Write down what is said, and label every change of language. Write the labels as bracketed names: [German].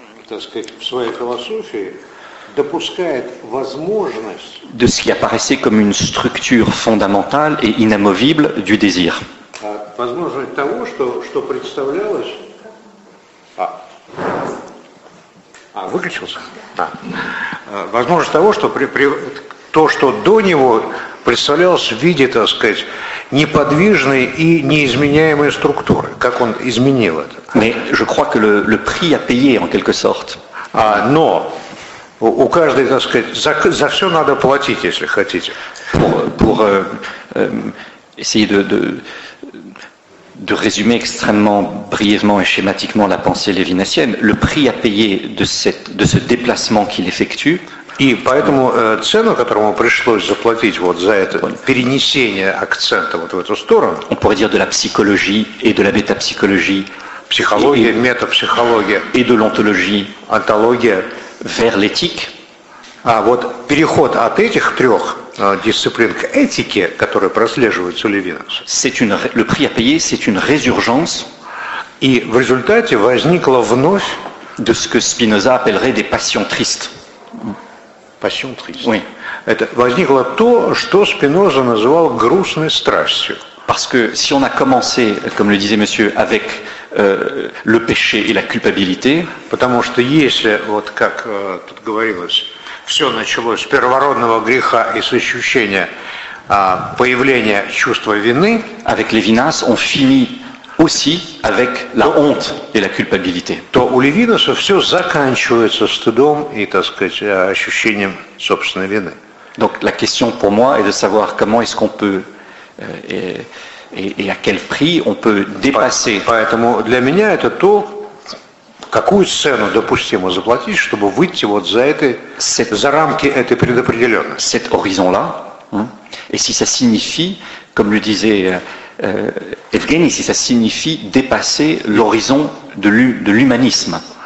[Russian] в своей философии допускает возможность [French] de ce qui apparaissait comme une structure fondamentale et inamovible du désir. [Russian] Возможность того, что представлялось. Выключился. Да. Возможность того, что то, что до него представлялось в виде, так сказать, неподвижной и неизменяемой структуры. Как он изменил это? [French] Mais je crois que le prix a payé, en quelque sorte. [Russian] Но у каждой, так сказать, за все надо платить, если хотите. [French] Pour essayer de résumer extrêmement brièvement et schématiquement la pensée lévinassienne, le prix à payer de ce déplacement qu'il effectue. [Russian] И поэтому цену, которую пришлось заплатить вот за это перенесение акцента вот в эту сторону. [French] On pourrait dire de la psychologie et de la métapsychologie. [Russian] Психология, метапсихология. И [French] de l'ontologie. [Russian] Онтология. [French] Vers l'éthique. [Russian] А вот переход от этих трех дисциплин к этике, которые прослеживаются у Левинаса. [French] C'est une, le prix à payer, c'est une résurgence. [Russian] И в результате возникло вновь. [French] De ce que Spinoza appellerait des passions tristes. Passion triste. Oui. [Russian] Это возникло то, что Спиноза называл грустной страстью. [French] Parce que si on a commencé, comme le disait monsieur, avec le péché et la culpabilité, [Russian] потому что если вот как тут говорилось, все началось с первородного греха и с ощущения появления чувства вины, [French] avec Lévinas, on finit aussi avec la honte et la culpabilité. [Russian] То у Левинаса все заканчивается стыдом и, так сказать, ощущением собственной вины. [French] Donc la question pour moi est de savoir comment est-ce qu'on peut et à quel prix on peut dépasser. [Russian] Поэтому для меня это то, какую цену допустимо заплатить, чтобы выйти вот за этой, за рамки этой предопределенности? [French] Cet horizon-là, et si ça signifie, comme le disait Евгений, si ça signifie dépasser l'horizon de l'humanisme.